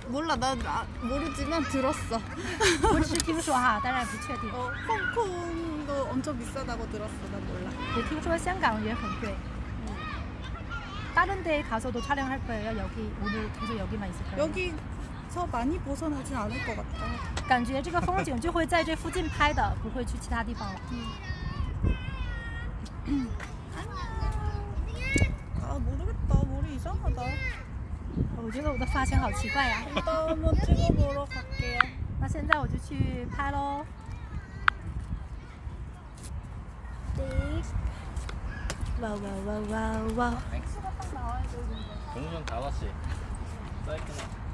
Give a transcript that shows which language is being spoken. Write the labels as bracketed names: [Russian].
[Korean] 몰라나모르지만들었어 [Chinese] 我只是听说哈当然不确定 [Korean] 홍콩도엄청비싸다고들었어나몰라 [Chinese] 也听说香港也很贵 [Korean] 다른데가서도촬영할거예요여기오늘계속여기만있을거예요 여기서많이벗어나진않을것같아 [Chinese] 感觉这个风景就会在这附近拍的不会去其他地方了 [Korean] 아모르겠다머리이상하다 [Chinese] 我觉得我的发型好奇怪呀 [Korean] 일단한번찍어보러갈게요 [Chinese] 那现在我就去拍咯와와와와와 동전다왔지사이클나